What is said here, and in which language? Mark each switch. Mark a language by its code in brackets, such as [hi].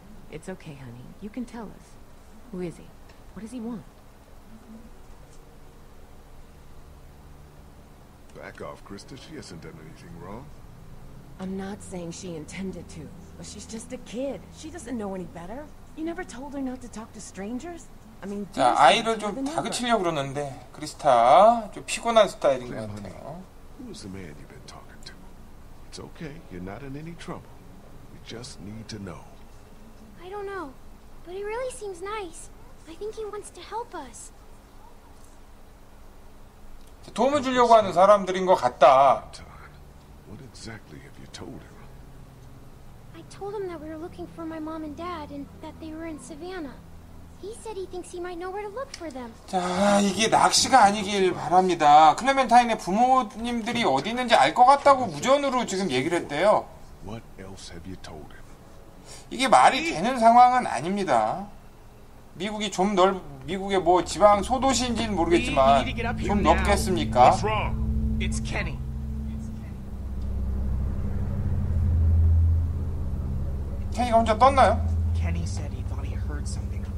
[en] It's okay, honey. You can tell us. Who is he? What does he want? Back off, Krista. She hasn't done anything wrong. I'm not saying she intended to, but she's just a kid. She doesn't know any better. You never told her not to talk to strangers? [ko] 자, 아이를 좀 다그치려고 그러는데 크리스타 좀 피곤한 스타일인 것 같아요. [en] Who's the man you've been talking to? It's okay. You're not in any trouble. We just need to know. I don't know, but he really seems nice. I think he wants to help us. [ko] 도움을 주려고 하는 사람들인 것 같다. [en] What exactly have you told him? I told him that we were looking for my mom and dad and that they were in Savannah. He said he thinks he might know where to look for them. [ko] 자, 이게 낚시가 아니길 바랍니다. 클레멘타인의 부모님들이 어디 있는지 알 것 같다고 무전으로 지금 얘기를 했대요. [en] What else have you told him? [ko] 이게 말이 되는 상황은 아닙니다. 미국이 좀 넓 미국의 뭐 지방 소도시인지는 모르겠지만 좀 넓겠습니까? [en] What's wrong? It's Kenny. It's Kenny. [ko] Kenny가 혼자 떴나요? [en] Kenny said he thought he heard something.